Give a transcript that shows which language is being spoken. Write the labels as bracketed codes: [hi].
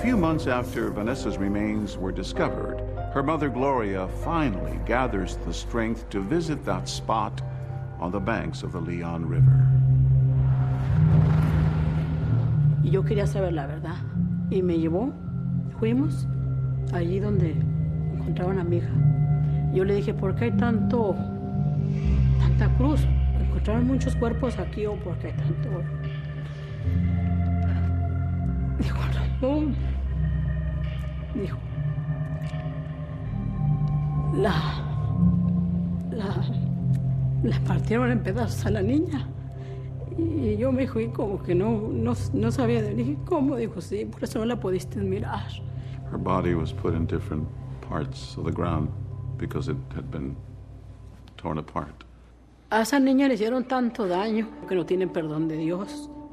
[en] Months after Vanessa's remains were discovered, her mother Gloria finally gathers the strength to visit that spot on the banks of the Leon River. [es] Yo quería saber la verdad y me llevó. Fuimos allí donde encontraron a mi hija. Yo le dije, ¿por qué hay tanta cruz? Encontraron muchos cuerpos aquí o por qué tanto. Dijo, "Ramón." La partieron en pedazos a la niña. Y yo me fui como que no sabía de dije, ¿cómo? Dijo, sí, por eso no la pudiste mirar. [en] Her body was put in different parts of the ground because it had been torn apart. [es] A esa niña le hicieron tanto daño que no tienen perdón de Dios.